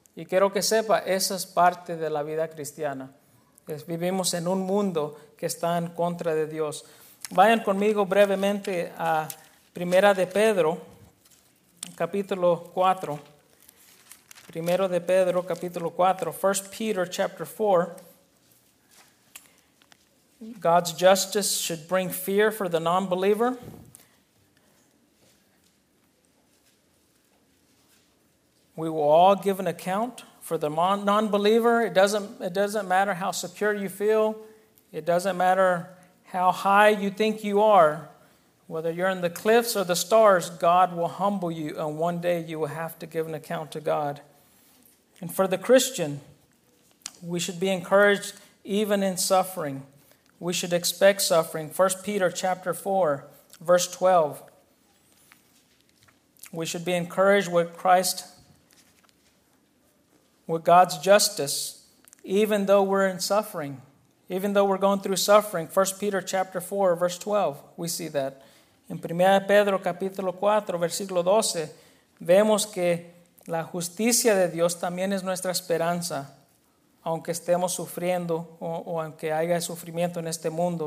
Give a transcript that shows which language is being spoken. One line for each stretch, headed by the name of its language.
Spanish: Y quiero que sepa, esa es parte de la vida cristiana. Vivimos en un mundo que está en contra de Dios. Vayan conmigo brevemente a Primera de Pedro, capítulo 4. Primero de Pedro, capítulo 4.
English: First Peter, chapter 4. God's justice should bring fear for the non-believer. We will all give an account for the non-believer. It doesn't matter how secure you feel. It doesn't matter how high you think you are. Whether you're in the cliffs or the stars, God will humble you, and one day you will have to give an account to God. And for the Christian, we should be encouraged even in suffering. We should expect suffering. 1 Peter chapter 4, verse 12. We should be encouraged with Christ, with God's justice, even though we're in suffering, even though we're going through suffering. 1 Peter chapter 4, verse 12. We see that.
Spanish: En 1 Pedro capítulo 4, versículo 12, vemos que la justicia de Dios también es nuestra esperanza. Aunque estemos sufriendo o aunque haya sufrimiento en este mundo.